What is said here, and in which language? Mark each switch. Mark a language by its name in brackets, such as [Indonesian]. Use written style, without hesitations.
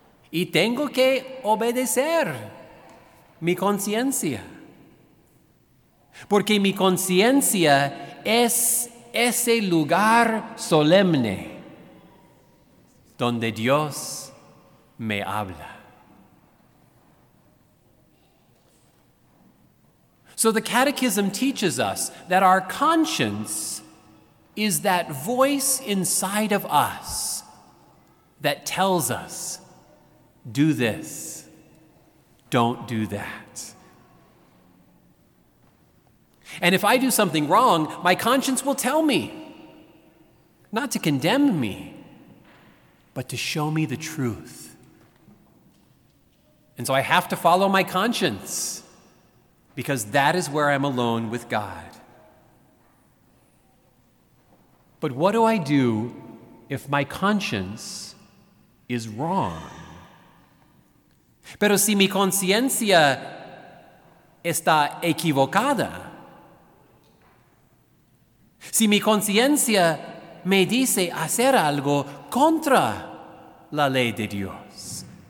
[Spanish] Y tengo que obedecer mi conciencia. Porque mi conciencia es ese lugar solemne donde Dios me habla. [English] So the catechism teaches us that our conscience is that voice inside of us that tells us, do this, don't do that. And if I do something wrong, my conscience will tell me, not to condemn me, but to show me the truth. And so I have to follow my conscience, because that is where I'm alone with God. But what do I do if my conscience is wrong? [Spanish] Pero si mi conciencia está equivocada, si mi conciencia me dice hacer algo contra la ley de Dios.